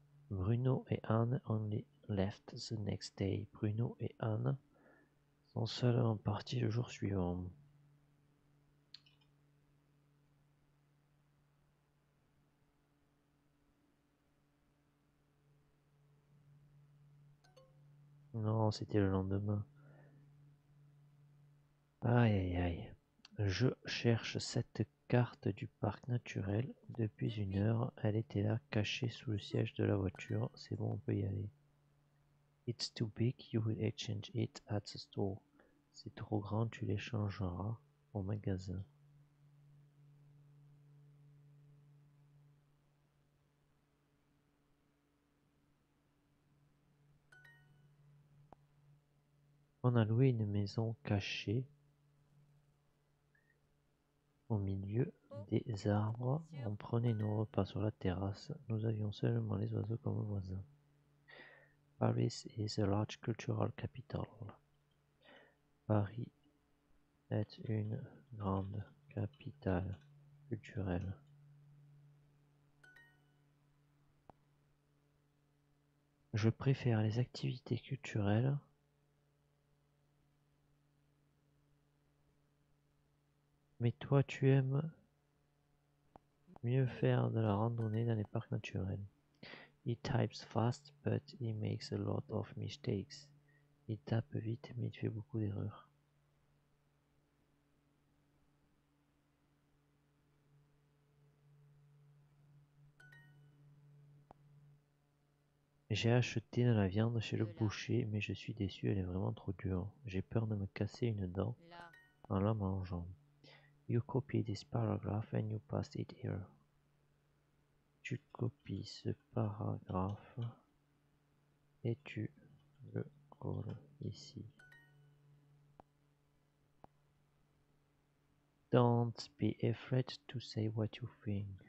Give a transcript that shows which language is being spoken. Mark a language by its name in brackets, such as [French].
[English] Bruno et Anne only left the next day. [French] Bruno et Anne sont seulement partis le jour suivant. Non, c'était le lendemain. Aïe aïe aïe. Je cherche cette carte du parc naturel. Depuis une heure, elle était là, cachée sous le siège de la voiture. C'est bon, on peut y aller. [English] It's too big, you will exchange it at the store. [French] C'est trop grand, tu l'échangeras au magasin. On a loué une maison cachée. Au milieu des arbres, on prenait nos repas sur la terrasse. Nous avions seulement les oiseaux comme voisins. [English] Paris is a large cultural capital. [French] Paris est une grande capitale culturelle. Je préfère les activités culturelles. Mais toi, tu aimes mieux faire de la randonnée dans les parcs naturels. [English] He types fast, but he makes a lot of mistakes. [French] Il tape vite, mais il fait beaucoup d'erreurs. J'ai acheté de la viande chez le boucher, mais je suis déçu, elle est vraiment trop dure. J'ai peur de me casser une dent en la mangeant. [English] You copy this paragraph and you paste it here. [French] Tu copies ce paragraphe et tu le colles ici. [English] Don't be afraid to say what you think.